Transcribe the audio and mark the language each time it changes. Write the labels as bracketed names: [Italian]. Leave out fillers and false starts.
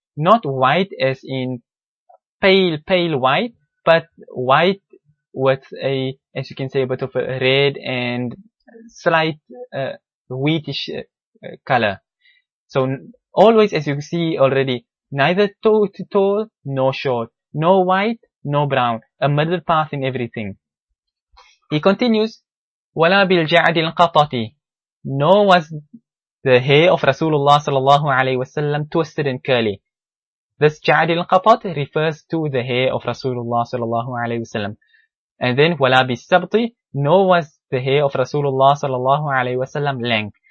[English] Not white as in pale, pale white, but white with a, as you can say, a bit of a red and slight wheatish color. So always, as you see already, neither too tall nor short, nor white nor brown, a middle path in everything. He continues, [Arabic] وَلَا بِالْجَعْدِ الْقَطَطِ. [English] Nor was the hair of Rasulullah sallallahu alaihi wasallam twisted and curly. This ja'd al-qatat refers to the hair of Rasulullah sallallahu alaihi wasallam. And then, [Arabic] wala bi-sabti, [English] nor was the hair of Rasulullah sallallahu alaihi wasallam length.